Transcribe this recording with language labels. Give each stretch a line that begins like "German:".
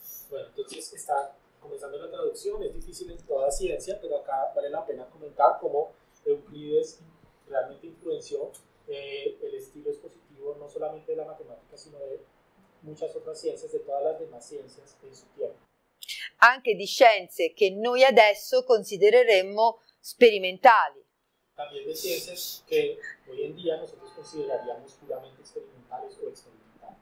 Spanish: Bueno, entonces está comenzando la traducción, es difícil en toda ciencia, pero acá vale la pena comentar cómo Euclides realmente influenció el estilo expositivo no solamente de la matemática, sino de muchas otras ciencias, de todas las demás ciencias en su tiempo.
Italian: Anche di scienze che noi adesso considereremmo sperimentali.
Spanish: También de ciencias que hoy en día nosotros consideraríamos puramente experimentales o experimentales.